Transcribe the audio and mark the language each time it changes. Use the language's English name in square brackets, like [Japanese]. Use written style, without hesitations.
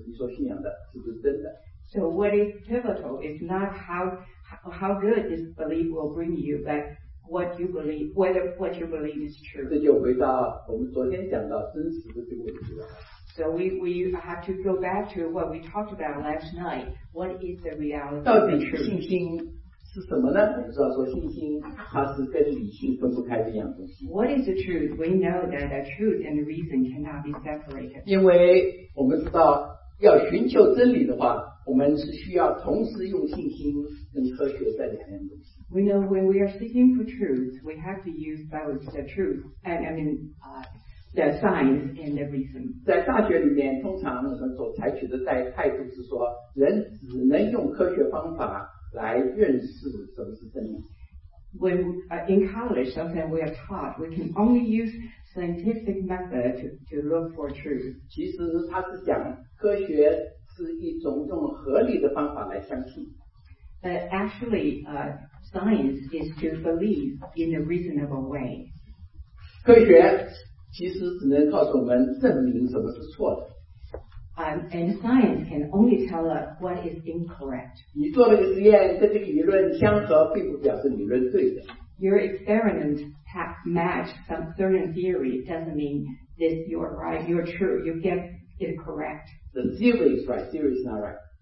[Chinese] 信仰最重要的关键不是它好不好，这个信仰的对象是不是对你好，而是你说信仰的是不是真的。 [English] So what is pivotal is not how good this belief will bring you, but what you believe, whether what you believe is true. [Chinese] 这就回到我们昨天讲到真实的这个问题了。 [English] So we have to go back to what we talked about last night. What is the reality? [Chinese] 到底信心是什么呢？我们知道说信心它是跟理性分不开的一样东西。 [English] What is the truth? We know that the truth and the reason cannot be separated. [Chinese] 因为我们知道要寻求真理的话，我们是需要同时用信心跟科学这两样东西。 [English] We know when we are seeking for truth, we have to use both the truth and the signs and the reason. [Chinese] 在大学里面，通常我们所采取的态度是说， 人只能用科学方法来认识什么是真理。 [English] When in college, sometimes we are taught we can only use scientific method to look for truth. [Chinese] 其实他是讲科学是一种用合理的方法来相信。 [English] But actually, science is to believe in a reasonable way. [Chinese] 科学其实只能告诉我们证明什么是错的。 [English] And science can only tell us what is incorrect. [Chinese] 你做了个实验，跟这个理论相合，并不表示理论对的。 [English] Your experiment has matched some certain theory doesn't mean that you're right, you're true, you get it correct. The theory is right, theory is not right.